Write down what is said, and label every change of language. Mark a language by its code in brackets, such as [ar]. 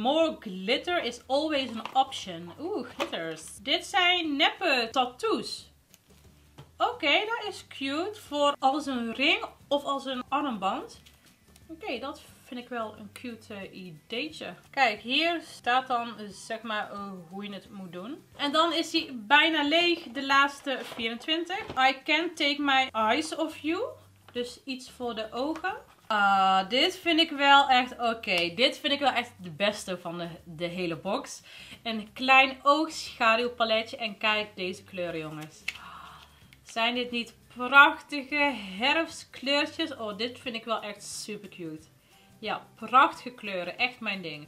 [en] More glitter is always an option. [nl] Oeh, glitters. Dit zijn neppe tattoos. Oké, dat is cute voor als een ring of als een armband. Oké, dat vind ik wel een cute ideetje. Kijk, hier staat dan zeg maar hoe je het moet doen. En dan is hij bijna leeg, de laatste 24. [en] I can't take my eyes off you. [nl] Dus iets voor de ogen. Dit vind ik wel echt oké. Dit vind ik wel echt de beste van de hele box. Een klein oogschaduwpaletje. En kijk deze kleuren, jongens. Zijn dit niet prachtige herfstkleurtjes? Oh, dit vind ik wel echt super cute. Ja, prachtige kleuren. Echt mijn ding.